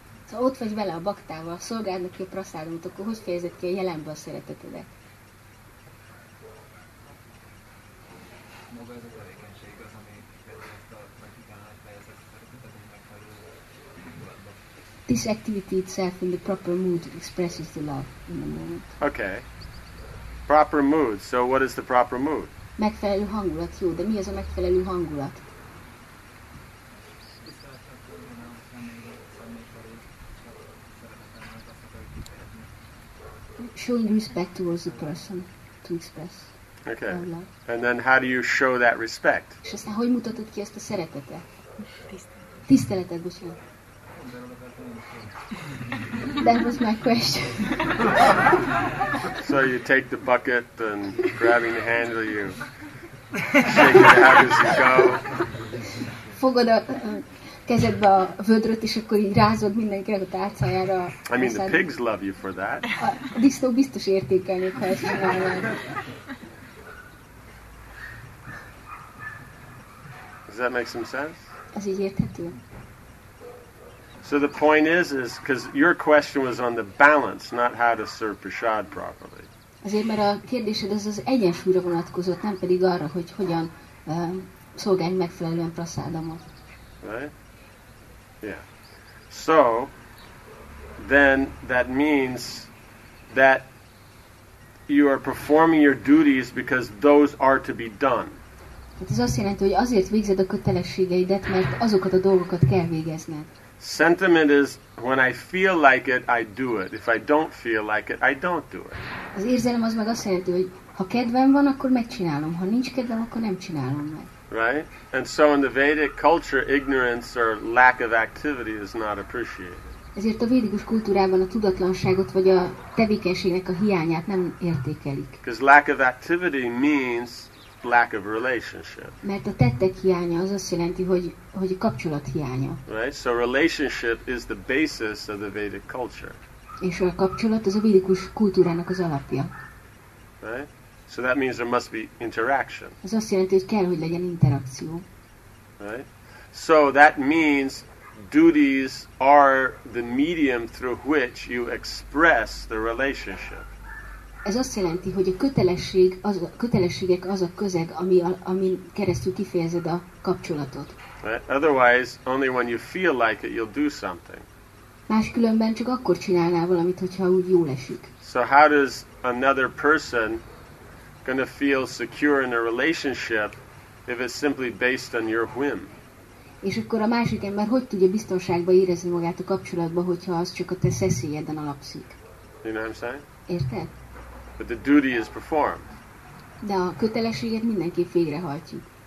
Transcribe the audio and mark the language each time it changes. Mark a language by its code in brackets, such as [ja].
[hu] Ha ott vagy vele a baktával, szolgáld neki a prasádamot, akkor hogy fejezed ki a jelenbe a szeretetedet? Maga ez a tevékenység az, ami fejezett a szeretetet, ami megfelelő. [en] This activity itself in the proper mood expresses the love in the moment. Okay. Proper mood. So what is the proper mood? [hu] Megfelelő hangulat. Jó, de mi az a megfelelő hangulat? [en] Showing respect towards the person to express. Okay. And then how do you show that respect? [hu] És aztán hogy mutatod ki ezt a szeretetet? Tiszteletet, bocsánat. [en] That was my question. So you take the bucket and grabbing the handle, you shake it out as you go. [hu] Fogod a kezedbe a vödröt, és akkor így rázod mindenkire a tárcájára. [en] I mean, the pigs love you for that. [hu] A disznó biztos értékelnék, ha ezt csinálják. [en] Does that make some sense? [hu] Ez így érthető? [en] So the point is, because your question was on the balance, not how to serve prasad properly. [hu] Azért, mert a kérdésed az egyensúlyra vonatkozott, nem pedig arra, hogy hogyan szolgálj megfelelően prasádamot. [en] Right? Yeah. So then that means that you are performing your duties because those are to be done. [hu] Hát ez azt jelenti, hogy azért végzed a kötelességeidet, mert azokat a dolgokat kell végezned. [en] Sentiment is when I feel like it, I do it. If I don't feel like it, I don't do it. [hu] Az érzelem az meg azt jelenti, hogy ha kedvem van, akkor megcsinálom. Ha nincs kedvem, akkor nem csinálom meg. [en] Right? And so in the Vedic culture, ignorance or lack of activity is not appreciated. [hu] Ezért a védikus kultúrában a tudatlanságot vagy a tevékenységnek a hiányát nem értékelik. [en] Because lack of activity means lack of relationship. [hu] Mert a tettek hiánya az azt jelenti, hogy kapcsolat hiánya. [en] Right? So relationship is the basis of the Vedic culture. [hu] És a kapcsolat az a védikus kultúrának az alapja. [en] Right? So that means there must be interaction. [hu] Ez azt jelenti, hogy kell, hogy legyen interakció. [en] Right? So that means duties are the medium through which you express the relationship. [hu] Ez azt jelenti, hogy a kötelesség, kötelességek az a közeg, amin keresztül kifejezed a kapcsolatot. [en] Right? Otherwise, only when you feel like it, you'll do something. [hu] Máskülönben csak akkor csinálnál valamit, hogyha úgy jól esik. [en] So how does another person going to feel secure in a relationship if it's simply based on your whim? [hu] És akkor a másik ember hogy tudja biztonságban érezni magát a kapcsolatban, hogyha az csak a te szeszélyeden alapszik? [en] You know what I'm saying? [hu] Érted? [en] But the duty is performed. [hu] De a kötelességet mindenképp végrehajtjuk.